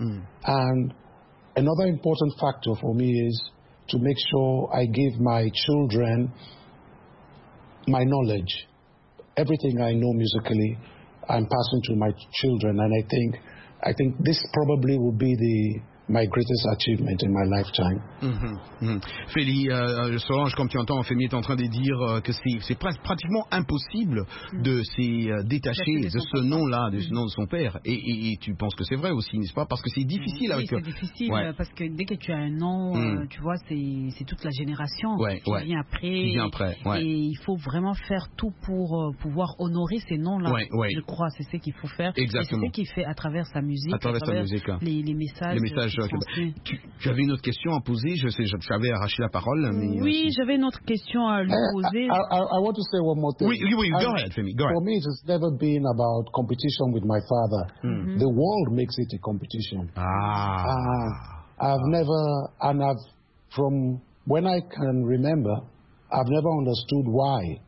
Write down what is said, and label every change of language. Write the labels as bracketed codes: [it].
[en] Mm. And another important factor for me is to make sure I give my children my knowledge. Everything I know musically, I'm passing to my children. And I think this probably will be the my greatest achievement in my lifetime. [fr] Féli, Solange, comme tu entends, Féli est en train de dire que c'est pratiquement impossible de se détacher de ce nom-là, de ce nom de son père. Et tu penses que c'est vrai aussi, n'est-ce pas? Parce que c'est difficile. Oui, avec c'est difficile, ouais. Parce que dès que tu as un nom, tu vois, c'est toute la génération qui vient après. Et il faut vraiment faire tout pour pouvoir honorer ces noms-là, je crois. C'est ce qu'il faut faire. Exactement. C'est ce qu'il fait à travers sa musique, les messages. Tu avais une autre question à poser, je sais, j'avais arraché la parole. Mais oui, j'avais une autre question à lui poser. [en] I want to say one more thing. [fr] Oui, [en] go ahead, Femi, go ahead. For me, it has never been about competition with my father. Mm-hmm. The world makes it a competition. Ah. From when I can remember, I've never understood why.